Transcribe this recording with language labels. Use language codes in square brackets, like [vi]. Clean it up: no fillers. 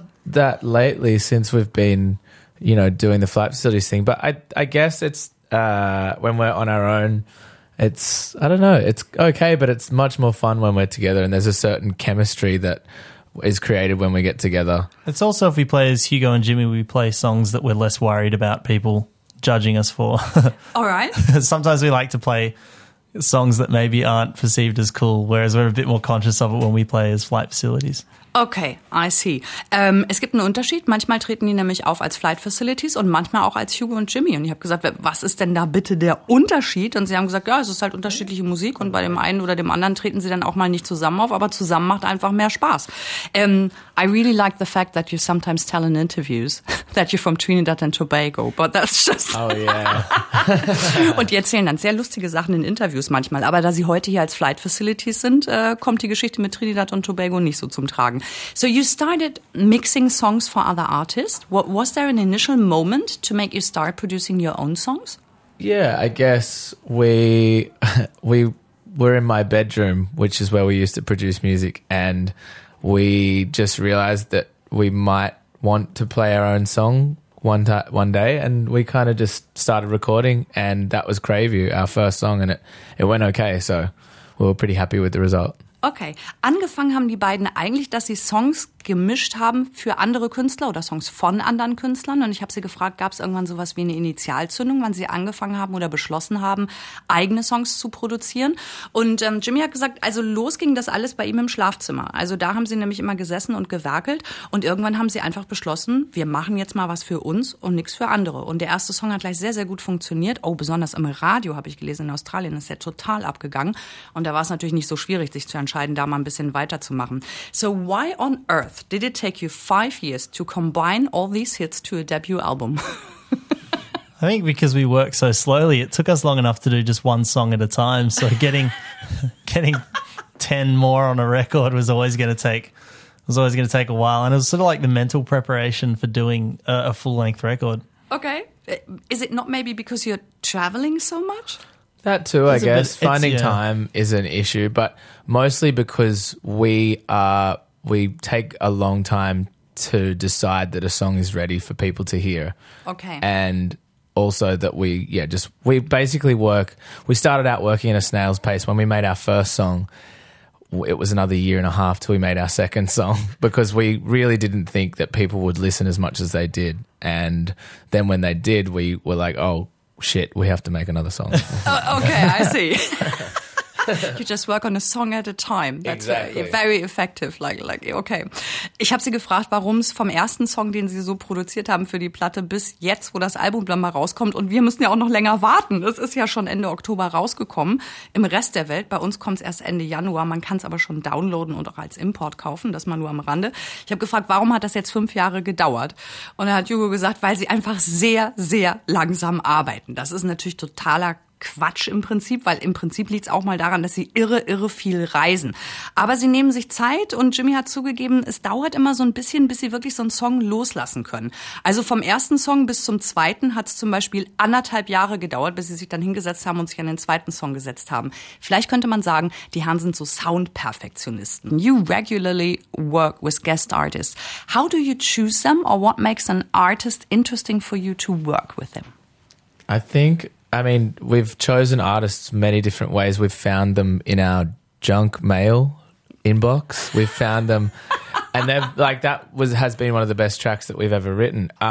[en] Not that lately since we've been, you know, doing the Flight Facilities thing, but I guess it's when we're on our own, it's, I don't know, it's okay, but it's much more fun when we're together and there's a certain chemistry that is created when we get together. It's also if we play as Hugo and Jimmy, we play songs that we're less worried about people judging us for. All right. Sometimes we like to play songs that maybe aren't perceived as cool, whereas we're a bit more conscious of it when we play as Flight Facilities. Okay, I see. [de] Es gibt einen Unterschied. Manchmal treten die nämlich auf als Flight Facilities und manchmal auch als Hugo und Jimmy. Und ich habe gesagt, was ist denn da bitte der Unterschied? Und sie haben gesagt, ja, es ist halt unterschiedliche Musik und bei dem einen oder dem anderen treten sie dann auch mal nicht zusammen auf, aber zusammen macht einfach mehr Spaß. [en] I really like the fact that you sometimes tell in interviews that you're from Trinidad and Tobago, but that's just... Oh yeah. [de] Und die erzählen dann sehr lustige Sachen in Interviews manchmal, aber da sie heute hier als Flight Facilities sind, kommt die Geschichte mit Trinidad und Tobago nicht so zum Tragen. [en] So you started mixing songs for other artists. Was there an initial moment to make you start producing your own songs? Yeah, I guess we were in my bedroom, which is where we used to produce music, and we just realized that we might want to play our own song one day, and we kind of just started recording, and that was Crave You, our first song, and it went okay, so we were pretty happy with the result. [de] Okay, angefangen haben die beiden eigentlich, dass sie Songs gemischt haben für andere Künstler oder Songs von anderen Künstlern. Und ich habe sie gefragt, gab es irgendwann sowas wie eine Initialzündung, wann sie angefangen haben oder beschlossen haben, eigene Songs zu produzieren. Und Jimmy hat gesagt, also los ging das alles bei ihm im Schlafzimmer. Also da haben sie nämlich immer gesessen und gewerkelt. Und irgendwann haben sie einfach beschlossen, wir machen jetzt mal was für uns und nichts für andere. Und der erste Song hat gleich sehr, sehr gut funktioniert. Oh, besonders im Radio, habe ich gelesen, in Australien ist der total abgegangen. Und da war es natürlich nicht so schwierig, sich zu entscheiden, da mal ein bisschen weiterzumachen. [en] So why on earth did it take you 5 years to combine all these hits to a debut album? I think because we work so slowly, it took us long enough to do just one song at a time. So getting 10 more on a record was always going to take a while. And it was sort of like the mental preparation for doing a full-length record. Okay. Is it not maybe because you're traveling so much? That too, I guess. Finding time is an issue, but mostly because we take a long time to decide that a song is ready for people to hear. Okay. And also that we basically work. We started out working at a snail's pace. When we made our first song, it was another year and a half till we made our second song because we really didn't think that people would listen as much as they did. And then when they did, we were like, oh, shit, we have to make another song. Okay, I see. You just work on a song at a time. That's exactly. Very effective. Like okay. [de] Ich habe sie gefragt, warum es vom ersten Song, den sie so produziert haben für die Platte, bis jetzt, wo das Album dann mal rauskommt. Und wir müssen ja auch noch länger warten. Es ist ja schon Ende Oktober rausgekommen. Im Rest der Welt, bei uns kommt es erst Ende Januar. Man kann es aber schon downloaden und auch als Import kaufen. Das mal nur am Rande. Ich habe gefragt, warum hat das jetzt 5 Jahre gedauert? Und dann hat Hugo gesagt, weil sie einfach sehr, sehr langsam arbeiten. Das ist natürlich totaler Quatsch im Prinzip, weil im Prinzip liegt es auch mal daran, dass sie irre, irre viel reisen. Aber sie nehmen sich Zeit und Jimmy hat zugegeben, es dauert immer so ein bisschen, bis sie wirklich so einen Song loslassen können. Also vom ersten Song bis zum zweiten hat es zum Beispiel 1,5 Jahre gedauert, bis sie sich dann hingesetzt haben und sich an den zweiten Song gesetzt haben. Vielleicht könnte man sagen, die Herren sind so Sound-Perfektionisten. [en] You regularly work with guest artists. How do you choose them or what makes an artist interesting for you to work with them? I mean, we've chosen artists many different ways. We've found them in our junk mail inbox. We've found them, and they've like that has been one of the best tracks that we've ever written.